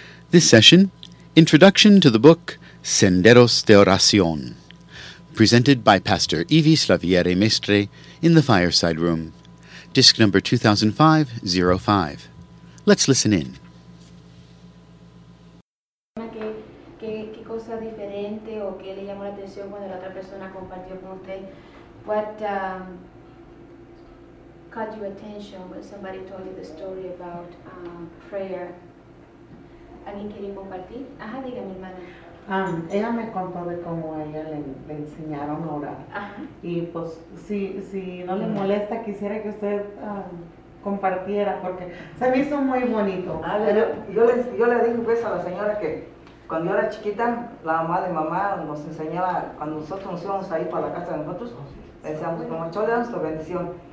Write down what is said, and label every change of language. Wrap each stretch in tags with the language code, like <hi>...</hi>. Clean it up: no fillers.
<en>This session, Introduction to the Book Senderos de Oración, presented by Pastor Ivis Lavierre Mestre in the Fireside Room, disc number 2005-05. Let's listen in.</en> <es>¿Qué cosa diferente o qué le llamó la atención cuando la otra persona compartió con usted?</es> <en>What caught your attention when somebody told you the story about prayer?</en> <es>¿Alguien quiere compartir? Ajá, diga mi hermana. Ella me contó de cómo a ella le enseñaron a orar. Ajá. Y pues, si no le molesta, quisiera que usted compartiera, porque se me hizo muy bonito. Yo le dije pues a la señora que cuando yo era chiquita, la mamá de mamá nos enseñaba, cuando nosotros nos íbamos ahí para la casa de nosotros, decíamos, como chole a nuestra bendición.</es>